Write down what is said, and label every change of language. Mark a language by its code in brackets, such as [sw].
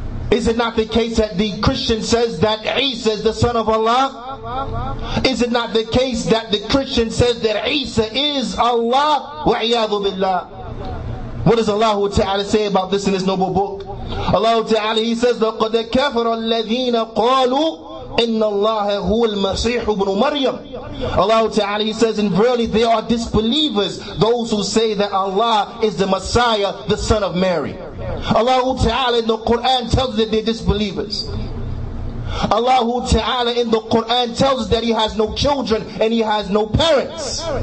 [en] Is it not the case that the Christian says that Isa is the son of Allah? Is it not the case that the Christian says that Isa is Allah? [ar] وَعِيَاذُ بِاللَّهِ. [en] What does Allah Ta'ala say about this in His noble book? Allah Ta'ala, He says, [ar] لَقَدْ كَفَرَ الَّذِينَ قَالُوا إِنَّ اللَّهَ هُوَ الْمَسِيحُ بْنُ مَرْيَمُ. [en] Allah Ta'ala, He says, and verily they are disbelievers, those who say that Allah is the Messiah, the son of Mary. Allah Ta'ala in the Quran tells us that they're disbelievers. Allah Ta'ala in the Quran tells us that He has no children and He has no parents.